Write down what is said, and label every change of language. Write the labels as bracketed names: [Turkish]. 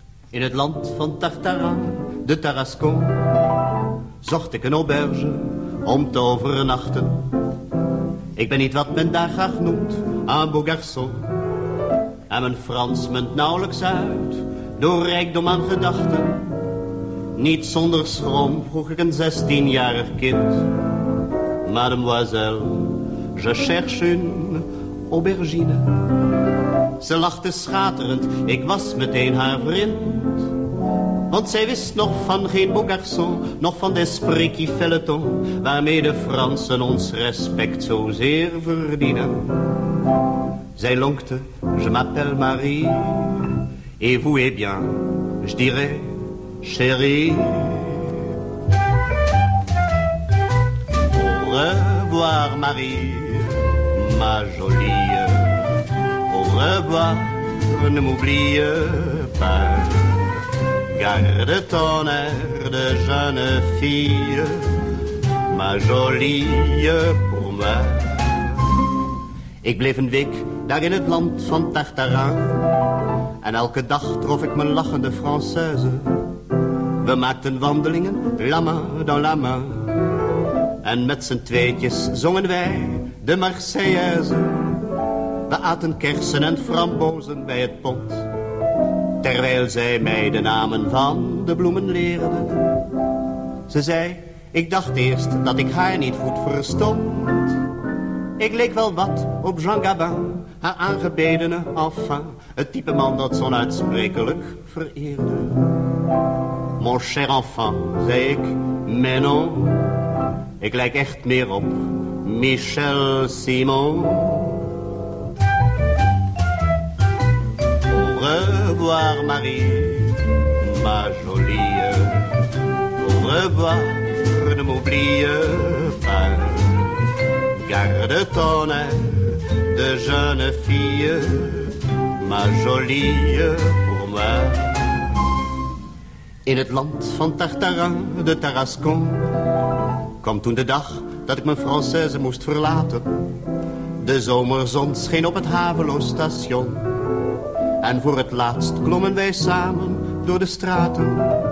[Dutch] In het land van Tartarin, de Tarascon, zocht ik een auberge om te overnachten. Ik ben niet wat men daar graag noemt, [French] un beau garçon. [Dutch] En mijn Frans munt nauwelijks uit, door rijkdom aan gedachten. Niet zonder schroom vroeg ik een 16-jarig kind. [French] Mademoiselle, je cherche une aubergine. [Dutch] Ze lachte schaterend, ik was meteen haar vriend. Want zij wist nog van geen [French] beau garçon, [Dutch] nog van [French] d'esprit qui fait le ton, [Dutch] waarmee de Fransen ons respect zozeer verdienen. Zij lonkte, [French] je m'appelle Marie, et vous eh bien, je dirais, chérie. Au revoir Marie, ma jolie, au revoir, ne m'oublie pas. Garde ton air de jeune fille, ma jolie pour moi. [Dutch] Ik bleef een week daar in het land van Tartarin. En elke dag trof ik mijn lachende Française. We maakten wandelingen, [French] la main dans la main. [Dutch] En met z'n tweetjes zongen wij de Marseillaise. We aten kersen en frambozen bij het pont. Terwijl zij mij de namen van de bloemen leerde. Ze zei, ik dacht eerst dat ik haar niet goed verstond. Ik leek wel wat op Jean Gabin, haar aangebedene enfant, het type man dat zo onuitsprekelijk vereerde. [French] Mon cher enfant, [Dutch] zei ik, [French] mais non, [Dutch] ik lijk echt meer op Michel Simon. [French] Au revoir Marie, ma jolie, au revoir, ne m'oublie pas, garde ton air de jeune fille, ma jolie pour moi. [Dutch] In het land van Tartarin, de Tarascon, kwam toen de dag dat ik mijn Française moest verlaten. De zomerzon scheen op het haveloos station. En voor het laatst klommen wij samen door de straten.